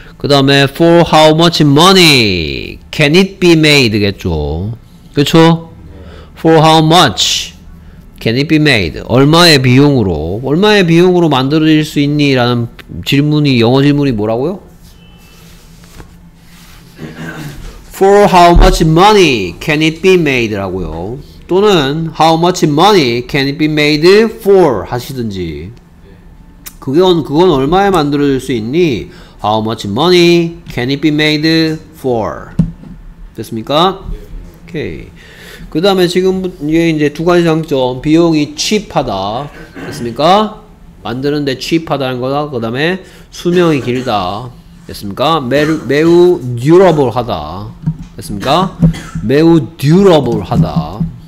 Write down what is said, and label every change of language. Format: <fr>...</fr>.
<ko>그 다음에</ko> <en>for how much money can it be made?</en> <ko>겠죠. 그쵸?</ko> <en>For how much can it be made?</en> <ko>얼마의 비용으로 만들어질 수 있니? 라는 질문이, 영어 질문이 뭐라고요?</ko> <en>For how much money can it be made?</en> <ko>라고요. 또는</ko> <en>How much money can it be made for?</en> <ko>하시든지. 그건 얼마에 만들어질 수 있니?</ko> <en>How much money can it be made for?</en> <ko>됐습니까? 오케이. 그 다음에 지금 이게 이제 두 가지 장점. 비용이 cheap하다. 됐습니까? 만드는데 cheap하다는 거다. 그 다음에 수명이 길다. 됐습니까? 매우 durable하다. 됐습니까? 매우 durable하다.</ko>